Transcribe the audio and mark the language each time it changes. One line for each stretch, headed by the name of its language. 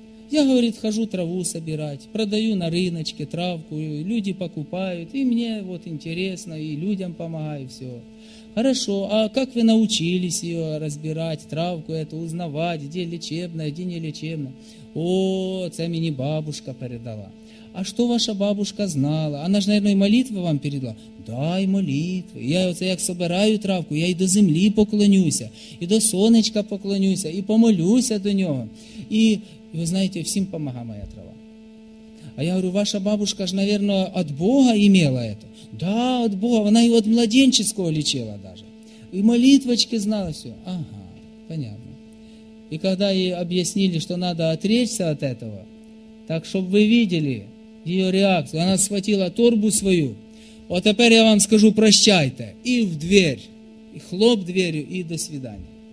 Russian: Я, говорит, хожу траву собирать, продаю на рыночке травку, люди покупают, и мне вот интересно, и людям помогаю, все. Хорошо, а как вы научились ее разбирать, травку эту узнавать, где лечебная, где не лечебная? О, это мне бабушка передала. А что ваша бабушка знала? Она же, наверное, и молитвы вам передала. Дай молитвы.
Ukrainian: Я вот як собираю травку, я и до земли поклонюся, и до сонечка поклонюся, и помолюся до нього.
Russian: И вы знаете, всім помогла моя трава. А я говорю, ваша бабушка же, наверное, от Бога имела это. Да, от Бога. Она и от младенческого лечила даже. И молитвочки знала все. Ага, понятно. И когда ей объяснили, что надо отречься от этого, так, чтобы вы видели ее реакцию, она схватила торбу свою, вот теперь я вам скажу прощайте, и в дверь, и хлоп дверью, и до свидания.